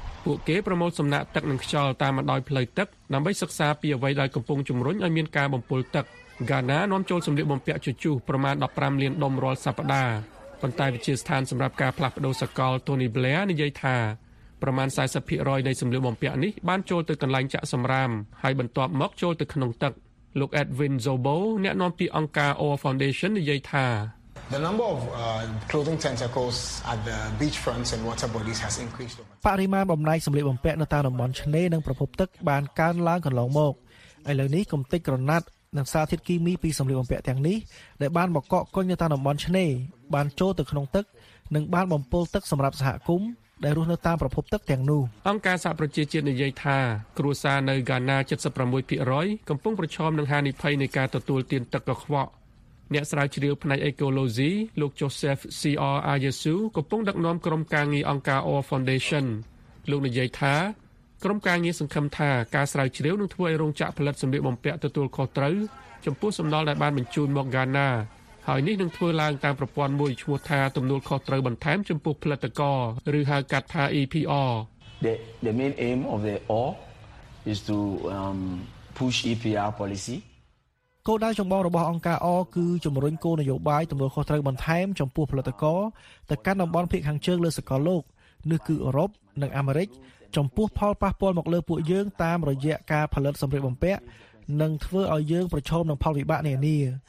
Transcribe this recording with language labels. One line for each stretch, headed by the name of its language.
Khmer: ពួកគេប្រមូលសំណាក់ទឹកនិងខ្យល់តាមបណ្ដោយផ្លូវទឹកដើម្បីសិក្សាពីអ្វីដែលកំពុងជំរុញឲ្យមានការបំពុលទឹកហ្គាណានាំចូលសម្ភារបំពាក់ជជុះប្រមាណ15លានដុំរាល់សប្តាហ៍ប៉ុន្តែវិទ្យាស្ថានសម្រាប់ការផ្លាស់ប្ដូរសកលតូនីប្លែរនិយាយថាប្រមាណ 40% នៃសម្ភារបំពាក់នេះបានចូលទៅកន្លែងចាក់សំរាមហើយបន្ទាប់មកចូលទៅក្នុងទឹកលោក Edwin Zobo អ្នកនាំពាក្យអង្គការ OR Foundation និយាយថា
English: The number of clothing tentacles at the beachfronts and water bodies has increased over time.
Khmer: បរិមាណបំណែកសម្លៀកបំពាក់នៅតាមតំបន់ឆ្នេរនិងប្រភពទឹកបានកើនឡើងកន្លងមកឥឡូវនេះកំទេចក្រណាត់និងសារធាតុគីមីពីសម្លៀកបំពាក់ទាំងនេះដែលបានមកកកកុញនៅតាមតំបន់ឆ្នេរបានចូលទៅក្នុងទឹកនិងបានបំពុលទឹកសម្រាប់សហគមន៍ដែលរស់នៅតាមប្រភពទឹកទាំងនោះ អង្គការសហប្រជាជាតិនិយាយថាគ្រួសារនៅហ្គាណា 76% កំពុងប្រឈមនឹងហានិភ័យនៃការទទួលទានទឹកកខ្វក់អ្នកស្រាវជ្រាវផ្នែកអេកូឡូស៊ីលោក Joseph CR Ayesu កំពុងដឹកនាំក្រុមការងារអង្គការ OR Foundation លោកនិយាយថាក្រុមការងារសង្ឃឹមថាការស្រាវជ្រាវនឹងធ្វើឲ្យរោងចក្រផលិតសម្ភារបំពាក់ទទួលខុសត្រូវចំពោះសំណល់ដែលបានបញ្ជូនមកហ្គាណាហើយនេះនឹងធ្វើឡើងតាមប្រព័ន្ធមួយឈ្មោះថាទំនួលខុសត្រូវបន្ថែមចំពោះផលិតករឬហៅកាត់ថា EPR
English: The main aim of the OR is to push EPR policy
Khmer: គោលដៅចម្បងរបស់អង្គការអគឺជំរុញគោលនយោបាយទំនួលខុសត្រូវបន្ថែមចំពោះផលិតករទៅកាន់តំបន់ភាគខាងជើងលើសកលលោកនោះគឺអឺរ៉ុបនិងអាមេរិកចំពោះផលប៉ះពាល់មកលើពួកយើងតាមរយៈការផលិតសម្ភារបំពាក់និងធ្វើឲ្យយើងប្រឈមនឹងផលវិបាកនានា